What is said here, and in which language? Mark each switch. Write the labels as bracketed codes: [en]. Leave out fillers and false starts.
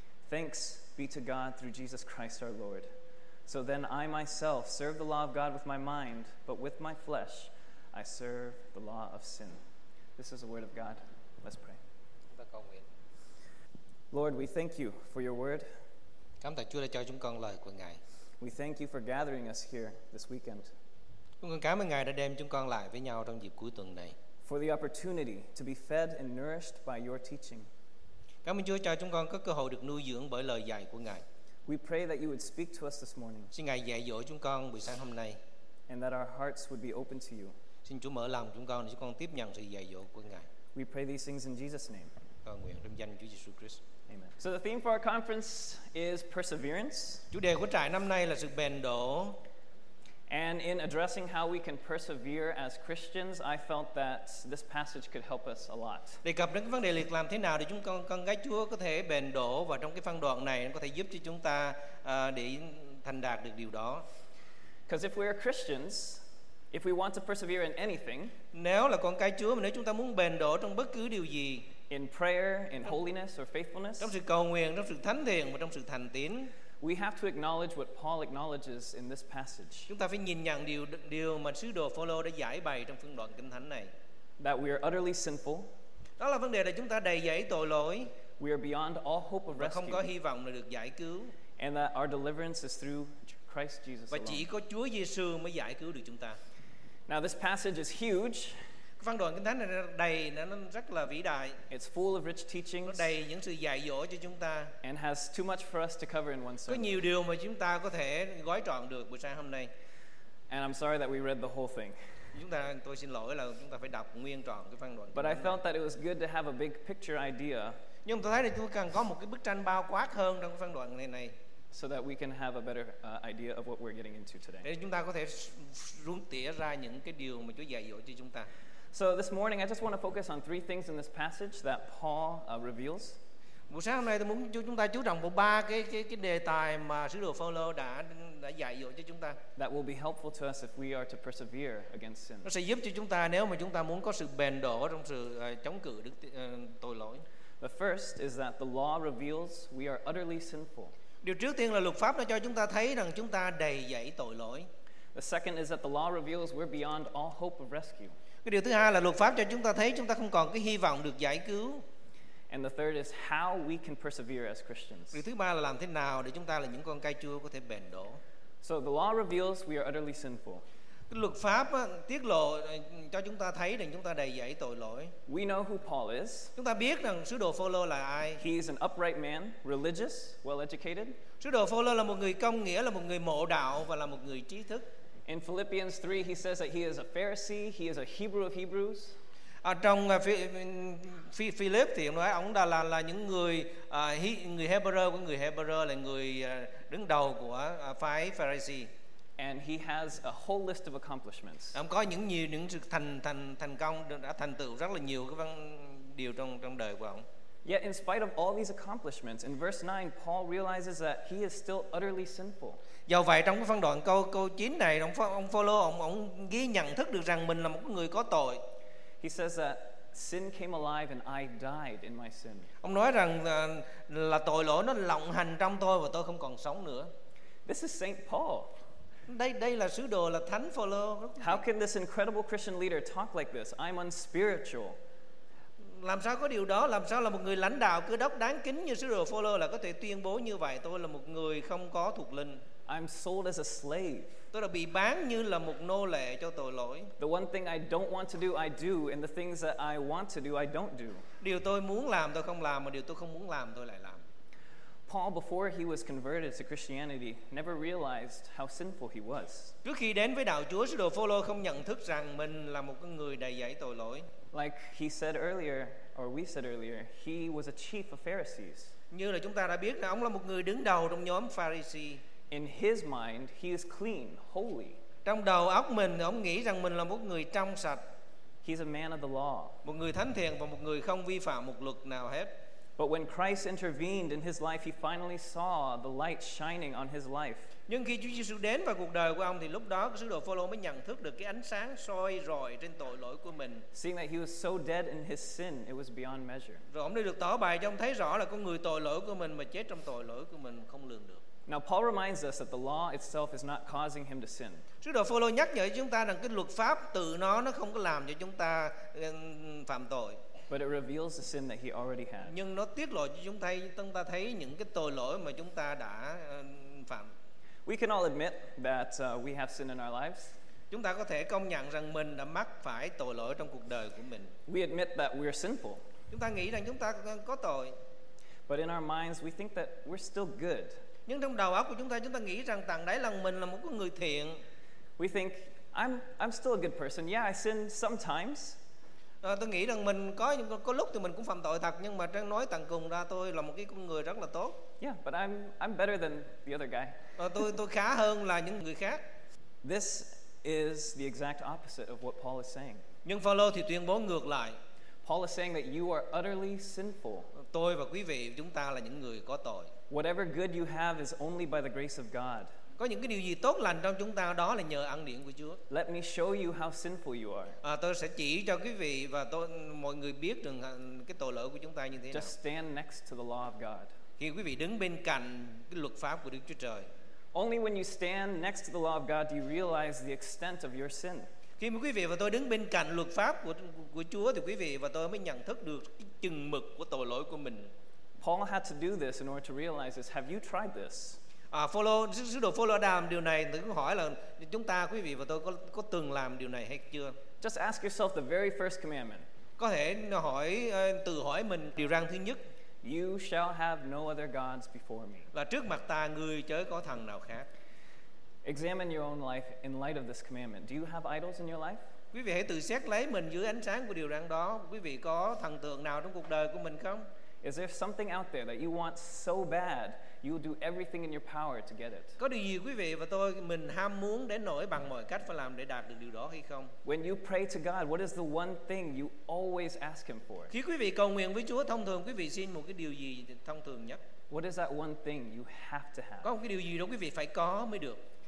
[en] Thanks be to God through Jesus Christ our Lord. So then I myself serve the law of God with my mind, but with my flesh I serve the law of sin. This is the word of God. Let's pray. Lord, we thank you for your word. [vi] Cảm tạ Chúa đã cho chúng con lời của Ngài. [en] We thank you for gathering us here this weekend. [vi] Cảm ơn Ngài đã đem chúng con lại với nhau trong dịp cuối tuần này. [en] for the opportunity to be fed and nourished by your teaching. [vi] Cảm ơn Chúa cho chúng con có cơ hội được nuôi dưỡng bởi lời dạy của Ngài. [en] We pray that you would speak to us this morning. [vi] Xin Ngài dạy dỗ chúng con buổi sáng hôm nay. [en] And that our hearts would be open to you. [vi] Xin Chúa mở lòng chúng con để chúng con tiếp nhận sự dạy dỗ của Ngài. [en] We pray these things in Jesus' name. [vi] Cầu nguyện trong danh Chúa Jesus Christ. [en] Amen. So the theme for our conference is perseverance. [vi] Chủ đề của trại năm nay là sự bền độ. [en] And in addressing how we can persevere as Christians, I felt that this passage could help us a lot. [vi] Đề cập đến cái vấn đề liệt làm thế nào để chúng con gái Chúa có thể bền độ, và trong cái phân đoạn này nó có thể giúp cho chúng ta để thành đạt được điều đó. [en] Because if we are Christians, if we want to persevere in anything, [vi] nếu là con cái Chúa mà nếu chúng ta muốn bền độ trong bất cứ điều gì, [en] in prayer, in holiness or faithfulness, [vi] trong sự cầu nguyện, trong sự thánh thiện và trong sự thành tín, [en] we have to acknowledge what Paul acknowledges in this passage. [vi] Chúng ta phải nhìn nhận điều mà sứ đồ Phaolô đã giải bày trong phân đoạn kinh thánh này. [en] That we are utterly sinful. [vi] Đó là vấn đề là chúng ta đầy dẫy tội lỗi. [en] We are beyond all hope of rescue. [vi] Không có hy vọng là được giải cứu. [en] And that our deliverance is through Christ Jesus alone. [vi] Và chỉ có Chúa Giêsu mới giải cứu được chúng ta. [en] Now this passage is huge. [vi] Phân đoạn kinh thánh này đầy, nó rất là vĩ đại. [en] It's full of rich teachings. [vi] Nó đầy những sự dạy dỗ cho chúng ta. [en] And has too much for us to cover in one sermon. [vi] Có nhiều điều mà chúng ta có thể gói trọn được buổi sáng hôm nay. [en] And I'm sorry that we read the whole thing. [vi] Tôi xin lỗi là chúng ta phải đọc nguyên trọn cái phân đoạn. [en] But I felt that it was good to have a big picture idea. [vi] Nhưng tôi thấy là tôi cần có một cái bức tranh bao quát hơn trong cái phân đoạn này. [en] So that we can have a better idea of what we're getting into today. [vi] Để chúng ta có thể rút tỉa ra những cái điều mà Chúa dạy dỗ cho chúng ta. [en] So this morning, I just want to focus on three things in this passage that Paul reveals. [vi] Buổi sáng hôm nay, tôi muốn chúng ta chú trọng vào ba cái đề tài mà sứ đồ Phaolô đã dạy dỗ cho chúng ta. [en] That will be helpful to us if we are to persevere against sin. [vi] Nó sẽ giúp cho chúng ta nếu mà chúng ta muốn có sự bền độ trong sự chống cự được tội lỗi. [en] The first is that the law reveals we are utterly sinful. [vi] Điều trước tiên là luật pháp nó cho chúng ta thấy rằng chúng ta đầy dẫy tội lỗi. [en] The second is that the law reveals we're beyond all hope of rescue. [vi] Cái điều thứ hai là luật pháp cho chúng ta thấy chúng ta không còn cái hy vọng được giải cứu. [en] And the third is how we can persevere as Christians. [vi] Điều thứ ba là làm thế nào để chúng ta là những con cái Chúa có thể bền độ. [en] So the law reveals we are utterly sinful. [vi] Cái luật pháp tiết lộ cho chúng ta thấy rằng chúng ta đầy dẫy tội lỗi. [en] We know who Paul is. [vi] Chúng ta biết rằng sứ đồ Phaolô là ai. [en] He is an upright man, religious, well educated. [vi] Sứ đồ Phaolô là một người công nghĩa, là một người mộ đạo và là một người trí thức. [en] In Philippians 3, he says that he is a Pharisee, he is a Hebrew of Hebrews. [vi] Trong Philip thì ông nói ông đã là những người người Hebrew, của người Hebrew là người đứng đầu của phái Pharisee. [en] And he has a whole list of accomplishments. [vi] Ông có những sự thành công đã thành tựu rất là nhiều cái điều trong đời của ông. [en] Yet in spite of all these accomplishments, in verse 9, Paul realizes that he is still utterly sinful. [vi] Do vậy trong cái phân đoạn câu 9 này, ông Phaolô ông ghi nhận thức được rằng mình là một người có tội. [en] He says that sin came alive and I died in my sin. [vi] Ông nói rằng là tội lỗi nó lộng hành trong tôi và tôi không còn sống nữa. [en] This is Saint Paul. [vi] Đây là sứ đồ, là thánh Phaolô. [en] How can this incredible Christian leader talk like this? I'm unspiritual. [vi] Làm sao có điều đó? Làm sao là một người lãnh đạo cơ đốc đáng kính như sứ đồ Phaolô là có thể tuyên bố như vậy? Tôi là một người không có thuộc linh. [en] I'm sold as a slave. [vi] Tôi đã bị bán như là một nô lệ cho tội lỗi. [en] The one thing I don't want to do, I do, and the things that I want to do, I don't do. [vi] Điều tôi muốn làm tôi không làm, mà điều tôi không muốn làm tôi lại làm. [en] Paul, before he was converted to Christianity, never realized how sinful he was. [vi] Trước khi đến với đạo Chúa, sứ đồ Phaolô không nhận thức rằng mình là một người đầy dẫy tội lỗi. [en] Like he said earlier, or we said earlier, he was a chief of Pharisees. [vi] Như là chúng ta đã biết là ông là một người đứng đầu trong nhóm Pharisee. [en] In his mind, he is clean, holy. [vi] Trong đầu óc mình, ông nghĩ rằng mình là một người trong sạch. [en] He's a man of the law. [vi] Một người thánh thiện và một người không vi phạm một luật nào hết. [en] But when Christ intervened in his life, he finally saw the light shining on his life. [vi] Nhưng khi Chúa Giêsu đến vào cuộc đời của ông thì lúc đó sứ đồ Phaolô mới nhận thức được cái ánh sáng soi rọi trên tội lỗi của mình. [en] Seeing that he was so dead in his sin, it was beyond measure. [vi] Rồi ông đã được tỏ bày cho ông thấy rõ là con người tội lỗi của mình mà chết trong tội lỗi của mình không lường được. [en] Now Paul reminds us that the law itself is not causing him to sin. [vi] Sứ đồ Phaolô nhắc nhở chúng ta rằng cái luật pháp tự nó không có làm cho chúng ta phạm tội. [en] But it reveals the sin that he already had. [vi] Nhưng nó tiết lộ cho chúng ta thấy những cái tội lỗi mà chúng ta đã phạm. [en] We can all admit that we have sin in our lives. [vi] Chúng ta có thể công nhận rằng mình đã mắc phải tội lỗi trong cuộc đời của mình. [en] We admit that we are sinful. [vi] Chúng ta nghĩ rằng chúng ta có tội. [en] But in our minds we think that we're still good. [vi] Nhưng trong đầu óc của chúng ta nghĩ rằng tận đáy lòng mình là một con người thiện. [en] We think I'm still a good person. Yeah, I sin sometimes. [vi] Tôi nghĩ rằng mình có lúc thì mình cũng phạm tội thật, nhưng mà trang nói tận cùng ra tôi là một cái con người rất là tốt. [en] Yeah, but I'm better than the other guy. [vi] Tôi khá hơn là những người khác. [en] This is the exact opposite of what Paul is saying. [vi] Nhưng Phaolô thì tuyên bố ngược lại. [en] Paul is saying that you are utterly sinful. [vi] Tôi và quý vị chúng ta là những người có tội. [en] Whatever good you have is only by the grace of God. [vi] Có những cái điều gì tốt lành trong chúng ta đó là nhờ ân điển của Chúa. [en] Let me show you how sinful you are. [vi] Tôi sẽ chỉ cho quý vị và mọi người biết rằng cái tội lỗi của chúng ta như thế nào. [en] Just stand next to the law of God. [vi] Khi quý vị đứng bên cạnh cái luật pháp của Đức Chúa Trời. [en] Only when you stand next to the law of God do you realize the extent of your sin. [vi] Khi mà quý vị và tôi đứng bên cạnh luật pháp của Chúa thì quý vị và tôi mới nhận thức được cái chừng mực của tội lỗi của mình. [en] Paul had to do this in order to realize this. Have you tried this? [vi] Sứ đồ Phaolô đàm điều này thì cũng hỏi là chúng ta quý vị và tôi có từng làm điều này hay chưa? [en] Just ask yourself the very first commandment. [vi] Có thể hỏi tự hỏi mình điều răn thứ nhất. [en] You shall have no other gods before me. [vi] Là trước mặt ta ngươi chớ có thần nào khác. [en] Examine your own life in light of this commandment. Do you have idols in your life? [vi] Quý vị hãy tự xét lấy mình dưới ánh sáng của điều răn đó. Quý vị có thần tượng nào trong cuộc đời của mình không? [en] Is there something out there that you want so bad you'll do everything in your power to get it? [vi] Có điều gì quý vị và tôi mình ham muốn đến nỗi bằng mọi cách phải làm để đạt được điều đó hay không? [en] When you pray to God, what is the one thing you always ask Him for? [vi] Khi quý vị cầu nguyện với Chúa, thông thường quý vị xin một cái điều gì thông thường nhất? [en] What is that one thing you have to have? [vi] Có một cái điều gì đó quý vị phải có mới được?